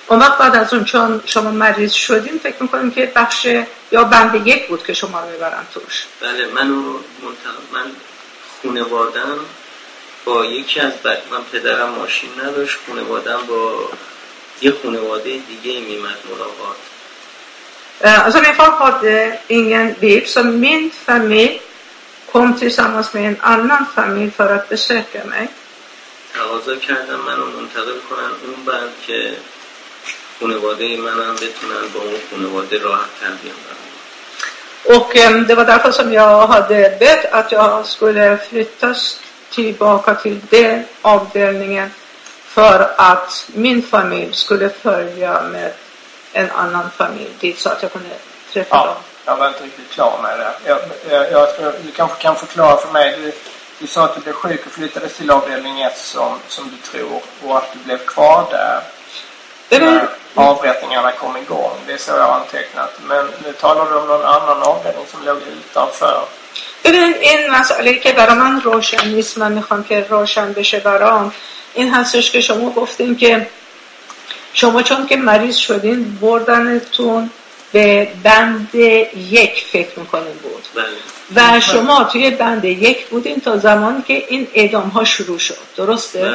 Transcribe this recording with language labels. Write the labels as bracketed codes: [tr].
[fa] اون وقت بعد از اون چون شما مریض شدیم فکر میکنیم که بخش یا بند یک بود که شما رو میبرن توش بله من رو من خونوادم با یکی از من پدرم ماشین نداشت خونوادم با یه خونواده دیگه میمد ملاقات [sv] Alltså min far hade ingen bil så min familj kom tillsammans med en annan familj för att besöka mig. Alltså kan jag man om inte det kan hon bara ke [fa] خانواده من هم بتونن با اون خانواده راحت تر بیان برن. [sv] Och det var därför som jag hade bett att jag skulle flyttas tillbaka till den avdelningen för att min familj skulle följa med en annan familj dit så att jag kunde träffa ja, dem. Jag var inte riktigt klar med det. Du kanske kan förklara för mig. Du sa att du blev sjuk och flyttades till avdelning 1 som du tror. Och att du blev kvar där. Avrättningarna kom igång. Det är så jag har antecknat. Men nu talar du om någon annan avdelning som låg utanför. [fa] این مسئله که برای من روشن نیست، من میخوام که روشن بشه برام. این هستش که شما گفتین که شما چون که مریض شدین بردنتون به بند 1 فکر میکنین بود و شما توی بند 1 بودین تا زمانی که این اعدام ها شروع شد، درسته؟